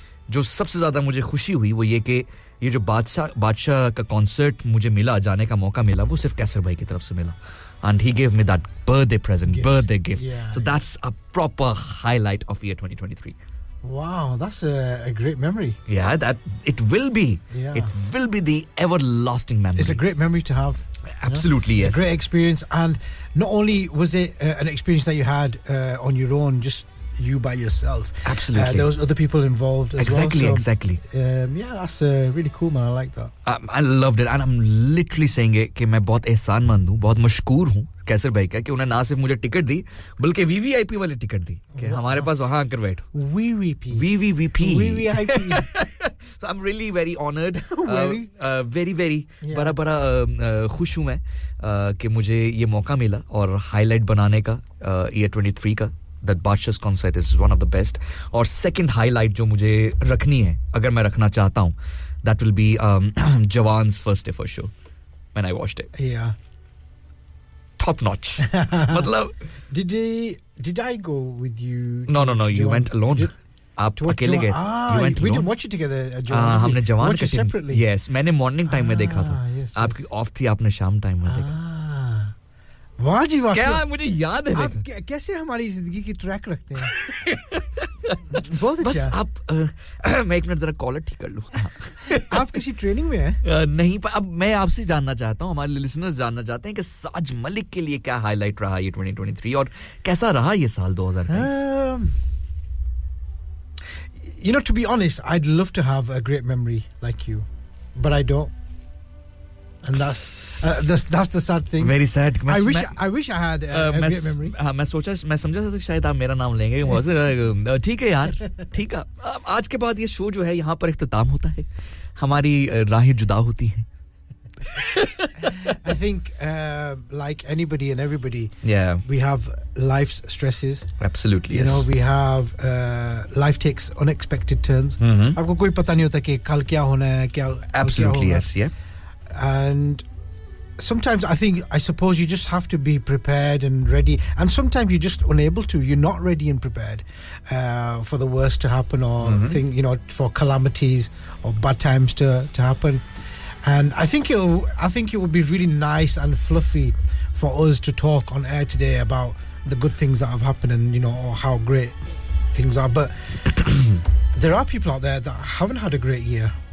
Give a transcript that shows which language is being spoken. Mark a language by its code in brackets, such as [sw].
[hi] जो सबसे ज्यादा मुझे खुशी हुई वो ये कि ये जो बादशाह का कॉन्सर्ट मुझे मिला जाने का मौका मिला वो सिर्फ कैसर भाई की तरफ से मिला [en] And he gave me that birthday present birthday gift so that's a proper highlight of year 2023 wow that's a great memory yeah that it will be the everlasting memory it's a great memory to have absolutely it's a great experience and not only was it an experience that you had on your own just You by yourself. Absolutely. There was other people involved as exactly, well. Exactly, Yeah, that's really cool, man. I like that. I loved it. And I'm literally saying it, [hi] ki main bahut ehsaan mand hu, bahut mashkoor hu. कैसर भाई का कि उन्होंने ना सिर्फ मुझे ticket दी बल्कि VVIP वाले ticket दी कि हमारे पास वहां आकर बैठो VVIP [en] so I am really very honoured very very [hi] बड़ा बड़ा खुश हूं मैं कि मुझे ये मौका मिला और हाईलाइट बनाने का ईयर 23 का [en] That Badshah's concert is one of the best. Or second highlight, [hi] jo mujhe rakhni hai, agar main rakhna chahta hun, [en] that will be Jawan's first ever show when I watched it. Yeah. Top notch. Matlab, did I go with you? No, you went alone. [hi] आप अकेले गए [en] you went we did watch it together [hi] हमने जवान के separately yes मैंने morning time में देखा था आपकी ऑफ थी आपने शाम टाइम में देखा वाह जी वाह क्या मुझे याद है आप कैसे हमारी जिंदगी की ट्रैक रखते हैं बहुत अच्छा बस आप मैं एक मिनट जरा कॉलर ठीक कर लूं आप किसी ट्रेनिंग में हैं नहीं पर अब मैं आपसे जानना चाहता हूं हमारे लिसनर्स जानना चाहते हैं कि साज मलिक के लिए क्या हाईलाइट रहा ये 2023 और कैसा रहा ये साल 2023 [en] You know to be honest I'd love to have a great memory like you but I don't And that's the sad thing. Very sad. I wish I had a great memory. [hi] मैं सोचा, मैं समझा था कि शायद आप मेरा नाम लेंगे. ठीक है यार, ठीक है. आज के बाद ये शो जो है यहाँ पर इख्तिताम होता है. हमारी राहें जुदा होती हैं. [en] I think like anybody and everybody, yeah, we have life's stresses. Absolutely, you yes. You know, we have life takes unexpected turns. [hi] आपको कोई पता नहीं होता कि कल क्या होना है, क्या [en] Absolutely, yes, yeah. And sometimes I suppose you just have to be prepared and ready. And sometimes you're just unable to. You're not ready and prepared for the worst to happen or thing, you know, for calamities or bad times to happen. And I think it would be really nice and fluffy for us to talk on air today about the good things that have happened and, you know, or how great things are. But there are people out there that haven't had a great year.